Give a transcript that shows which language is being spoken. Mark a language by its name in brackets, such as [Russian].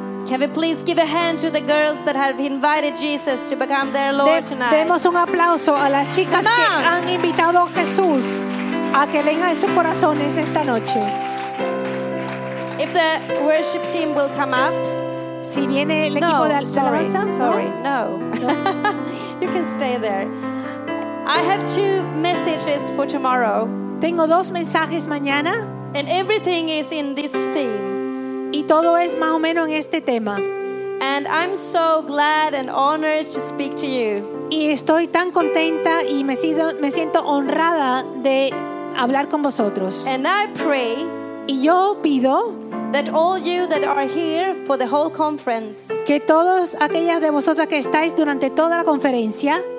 [English] Can we please give a hand to the girls that have invited Jesus to become their Lord tonight? [Spanish] Demos un aplauso a las chicas que han invitado a Jesús a que venga en sus corazones esta noche. [English] If the worship team will come up. [Spanish] Si viene el equipo no, de alabanza. [English] Sorry, no. [Spanish] No. [English] You can stay there. I have two messages for tomorrow. [Spanish] Tengo dos mensajes mañana. [English] And everything is in this theme. [Spanish] Y todo es más o menos en este tema. [English] And I'm so glad and honored to speak to you. [Spanish] Y estoy tan contenta y me siento honrada de hablar con vosotros. [English] And I pray. [Spanish] Y yo pido [English] that all you that are here for the whole conference, [Spanish] que todos aquellas de vosotras que estáis durante toda la conferencia,